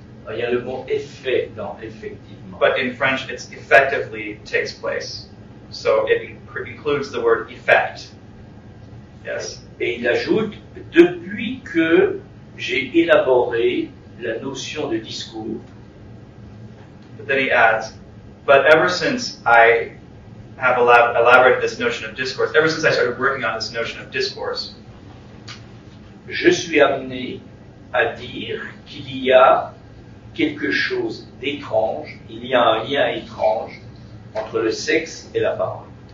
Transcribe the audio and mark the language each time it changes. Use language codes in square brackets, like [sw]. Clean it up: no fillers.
[fr] Il y a le mot effet dans effectivement. [en] But in French, it's effectively takes place. So it includes the word effect. Yes. [fr] Et il ajoute, depuis que j'ai élaboré la notion de discours. [en] But then he adds, but ever since I have elaborated this notion of discourse, ever since I started working on this notion of discourse, [fr] je suis amené à dire qu'il y a quelque chose d'étrange, il y a un lien étrange entre le sexe et la parole.